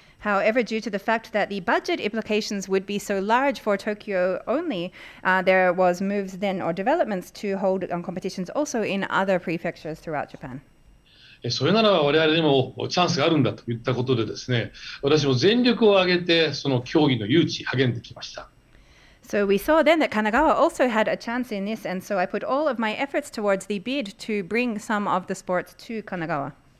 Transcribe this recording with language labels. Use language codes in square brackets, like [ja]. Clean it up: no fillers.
[en] However, due to the fact that the budget implications would be so large for Tokyo only, there was moves then or developments to hold competitions also in other prefectures throughout Japan. [ja] それならば我々にもチャンスがあるんだといったことでですね、私も全力を挙げてその競技の誘致励んできました。 [en] So we saw then that Kanagawa also had a chance in this, and so I put all of my efforts towards the bid to bring some of the sports to Kanagawa.